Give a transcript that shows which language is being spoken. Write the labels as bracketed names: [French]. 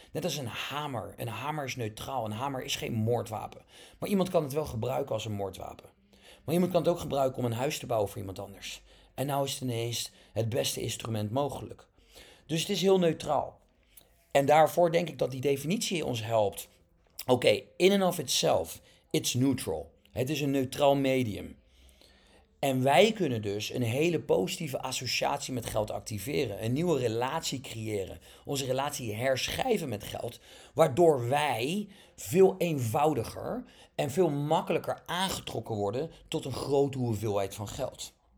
[Dutch] Net als een hamer. Een hamer is neutraal. Een hamer is geen moordwapen. Maar iemand kan het wel gebruiken als een moordwapen. Maar iemand kan het ook gebruiken om een huis te bouwen voor iemand anders. En nou is het ineens het beste instrument mogelijk. Dus het is heel neutraal. En daarvoor denk ik dat die definitie ons helpt. [English] Oké, in and of itself, it's neutral. [Dutch] Het is een neutraal medium. En wij kunnen dus een hele positieve associatie met geld activeren. Een nieuwe relatie creëren. Onze relatie herschrijven met geld. Waardoor wij veel eenvoudiger en veel makkelijker aangetrokken worden tot een grote hoeveelheid van geld.